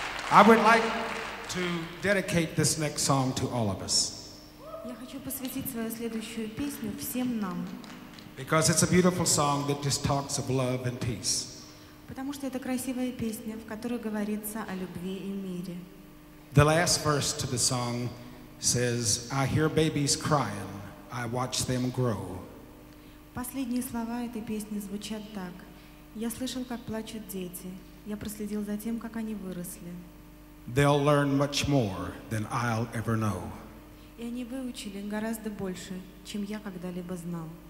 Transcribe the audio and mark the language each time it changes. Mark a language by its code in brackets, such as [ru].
[en] I would like to dedicate this next song to all of us. [ru] Я хочу посвятить свою следующую песню всем нам. [en] Because it's a beautiful song that just talks of love and peace. [ru] Потому что это красивая песня, в которой говорится о любви и мире. [en] The last verse to the song says, "I hear babies crying, I watch them grow." [ru] Последние слова этой песни звучат так: "Я слышал, как плачут дети, я проследил за тем, как они выросли." [en] They'll learn much more than I'll ever know. [ru] И они выучили гораздо больше, чем я когда-либо знал.